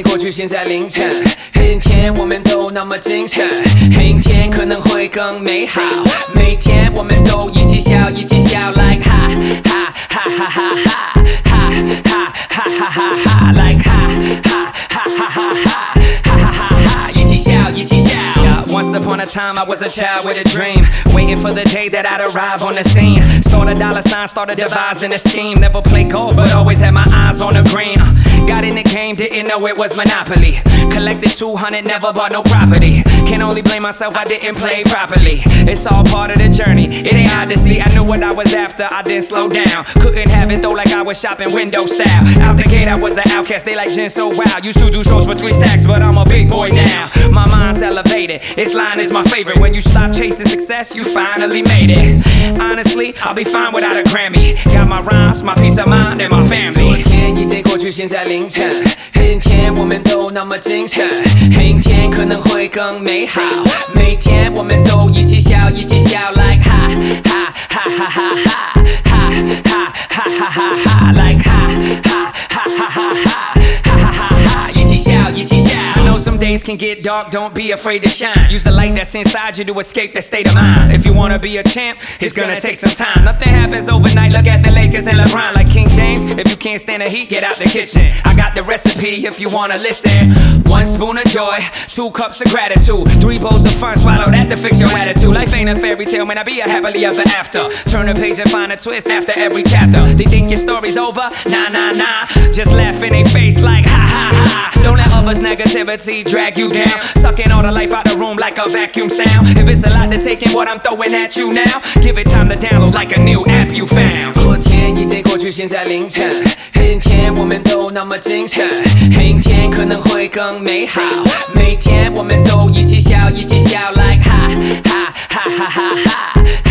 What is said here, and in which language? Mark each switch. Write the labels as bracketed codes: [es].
[zh] 现在凌晨，黑天我们都那么精神，黑天可能会更美好，每天我们都一起笑，一起笑 ，like 哈哈哈哈哈哈哈哈哈哈哈哈哈 ，like 哈哈哈哈哈哈哈哈哈哈，一起笑，一起笑。 [en] Once upon a time, I was a child with a dream, waiting for the day that I'd arrive on the scene. Saw the dollar sign, started devising a scheme. Never played golf, but always had my eyes on the green. Got in the game, didn't know it was Monopoly. Collected 200, never bought no property. Can only blame myself, I didn't play properly. It's all part of the journey, it ain't hard to see. I knew what I was after, I didn't slow down. Couldn't have it though, like I was shopping window style. Out the gate, I was an outcast, they like gin so wild. Used to do shows for 3 stacks, but I'm a big boy now. My mind's elevated. This line is my favorite. When you stop chasing success, you finally made it. Honestly, I'll be fine without a Grammy. Got my rhymes, my peace of mind, and my family. [zh] 昨天已经过去，现在凌晨。今天我们都那么精神，明天可能会更美好。每天我们都一起笑，一起笑 ，like 哈哈哈哈哈哈哈哈哈哈哈哈 ，like 哈哈哈哈哈哈。 [en] I know some days can get dark, don't be afraid to shine. Use the light that's inside you to escape that state of mind. If you wanna be a champ, it's gonna take some time. Nothing happens overnight, look at the Lakers and LeBron. Like King James, if you can't stand the heat, get out the kitchen. I got the recipe if you wanna listen. 1 spoon of joy, 2 cups of gratitude, 3 bowls of fun, swallow that to fix your attitude. Life ain't a fairy tale, man, I'll be a happily ever after. Turn a page and find a twist after every chapter. They think your story's over? Nah, nah, nah. Just laugh in their face like ha, ha, ha. Don't let others' negativity drag you down. Sucking all the life out the room like a vacuum sound. If it's a lot to take in what I'm throwing at you now, give it time to download like a new app you found. [zh] 昨天已经过去，现在凌晨。今天我们都那么精神，明天可能会更美好。每天我们都一起笑，一起笑 ，like 哈哈哈哈哈哈。